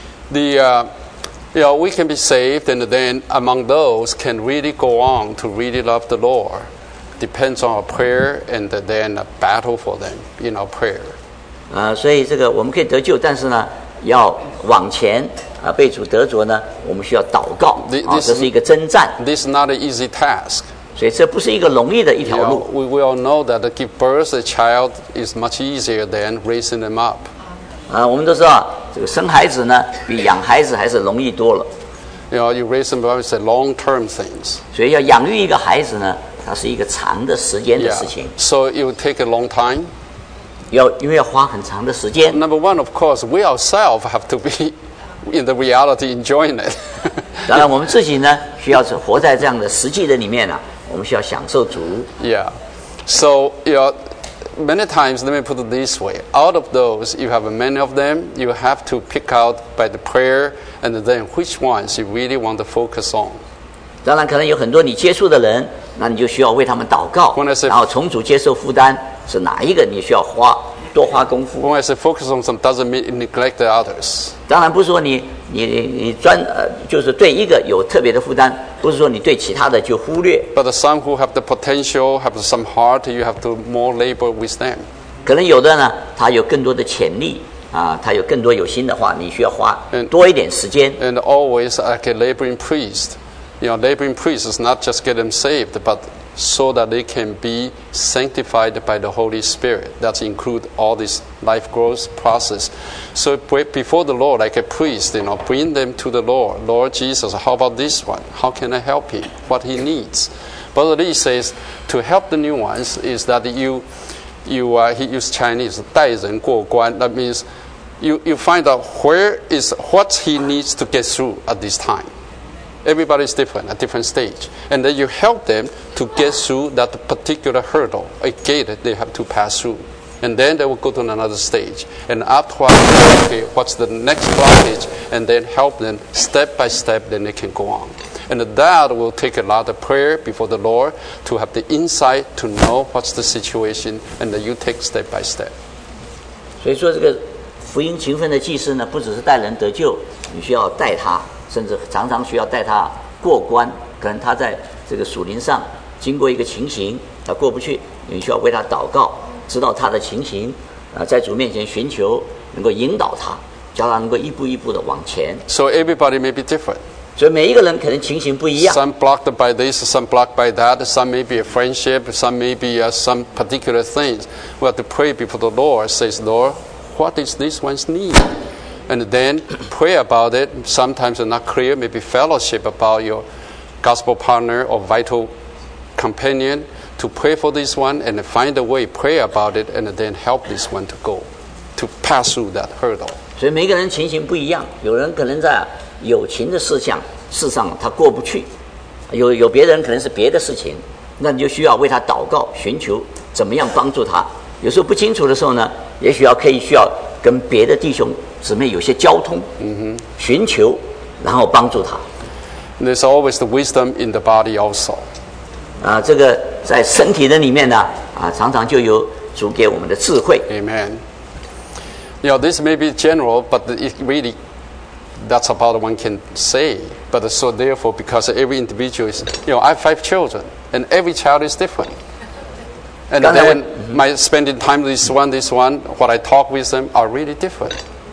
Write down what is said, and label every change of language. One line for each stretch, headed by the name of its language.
English: The you know, we can be saved, and then among those can really go on to really love the Lord. Depends on our prayer, and then a battle for them in our prayer.
Chinese: 所以这个我们可以得救，但是呢，要往前啊，被主得着呢，我们需要祷告啊，这是一个征战。
English: This is not an easy task.
Chinese: 所以这不是一个容易的一条路。
English: We all know that to give birth a child is much easier than raising them up.
Chinese: 我们都知道这个生孩子呢，比养孩子还是容易多了。
English: You know, you raise them up is a long-term things.
Chinese: 所以要养育一个孩子呢，它是一个长的时间的事情。
English: Yeah. So it will take a long time.
Chinese: 因为要花很长的时间。
English: Number one, of course, we ourselves have to be in the reality enjoying it.
Chinese: 当然，我们自己呢，需要是活在这样的实际的里面呢、啊，我们需要享受主。
English: Yeah. So, you know, many times, let me put it this way: out of those, you have many of them, you have to pick out by the prayer, and then which ones you really want to focus on.
Chinese: 当然，可能有很多你接触的人，那你就需要为他们祷告，
English: say,
Chinese: 然后重组接受负担。是哪一个你需要花多花功夫
English: ？When I say focus on some, doesn't mean neglect the others.
Chinese: 当然不是说你专就是对一个有特别的负担，不是说你对其他的就忽略。
English: But some who have the potential, have some heart, you have to more labor with them.
Chinese: 可能有的呢，他有更多的潜力，他有更多有心的话，你需要花多一点时间。
English: And always like a laboring priest, you know, laboring priest is not just get them saved, but so that they can be sanctified by the Holy Spirit. That includes all this life growth process. So before the Lord, like a priest, you know, bring them to the Lord. Lord Jesus, how about this one? How can I help him? What he needs? Brother Lee says, to help the new ones is that he used Chinese,
Chinese: 代人过关,
English: that means you find out what he needs to get through at this time. Everybody's different, at different stage. And then you help them to get through that particular hurdle, a gate they have to pass through. And then they will go to another stage. And after a while, okay, what's the next blockage? And then help them step by step, then they can go on. And that will take a lot of prayer before the Lord to have the insight to know what's the situation, and that you take step by step.
Chinese: 所以说这个福音勤奋的祭司呢，不只是带人得救，你需要带他，甚至常常需要带他过关。可能他在这个属灵上经过一个情形，他过不去，你需要为他祷告，知道他的情形，在主面前寻求，能够引导他，叫他能够一步一步的往前。
English: So everybody may be different.
Chinese: 所以每一个人可能情形不一样。
English: Some blocked by this, some blocked by that. Some may be a friendship, some may be some particular things. We have to pray before the Lord. Says, Lord, what is this one's need? And then pray about it. Sometimes it's not clear. Maybe fellowship about your gospel partner or vital companion to pray for this one and find a way. Pray about it and then help this one to go to pass through that hurdle.
Chinese: 所以每一个人情形不一样。有人可能在。友情的事项，事实上他过不去，有别人可能是别的事情，那你就需要为他祷告，寻求怎么样帮助他。有时候不清楚的时候呢，也许要可以需要跟别的弟兄姊妹有些交通，寻求，然后帮助他。
English: There's always the wisdom in the body also.
Chinese: 这个在身体的里面呢，常常就有主给我们的智慧。
English: Amen. You know, this may be general, but it really. That's about one can say. But so therefore, because every individual is, you know, I have 5 children, and every child is different. And then my spending time with this one, what I talk with them are really different.